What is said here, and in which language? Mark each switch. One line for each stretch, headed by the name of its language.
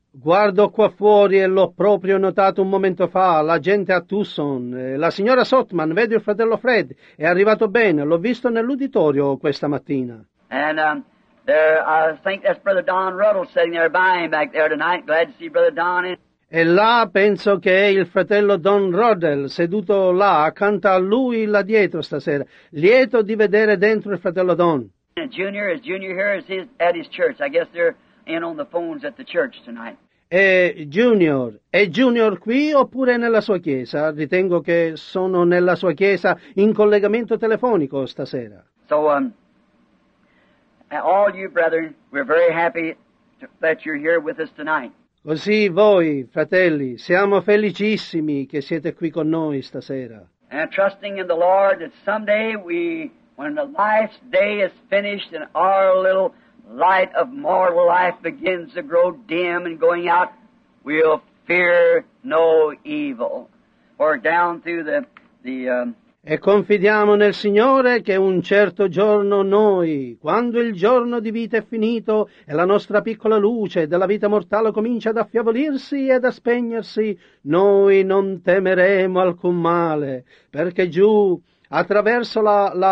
Italian: Guardo qua fuori e l'ho proprio notato un momento fa, la gente a Tucson. La signora Southman, vedo il fratello Fred, è arrivato bene, l'ho visto nell'uditorio questa mattina.
English: And there, I think that's Brother Don Ruddle sitting there by him back there tonight. Glad to see Brother Don in.
Italian: E là penso che è il fratello Don Rodel, seduto là, accanto a lui là dietro stasera, lieto di vedere dentro il fratello Don.
English: Junior here is at his church. I guess they're in on the phones at the church tonight.
Italian: È Junior qui oppure nella sua chiesa? Ritengo che sono nella sua chiesa in collegamento telefonico stasera.
English: So, all you brethren, we're very happy that you're here with us tonight.
Italian: Così voi, fratelli, siamo felicissimi che siete qui con noi stasera.
English: And trusting in the Lord that someday we, when the life's day is finished and our little light of mortal life begins to grow dim and going out, we'll fear no evil. Or down through
Italian: E confidiamo nel Signore che un certo giorno noi, quando il giorno di vita è finito e la nostra piccola luce della vita mortale comincia ad affievolirsi e ad spegnersi, noi non temeremo alcun male, perché giù, attraverso la...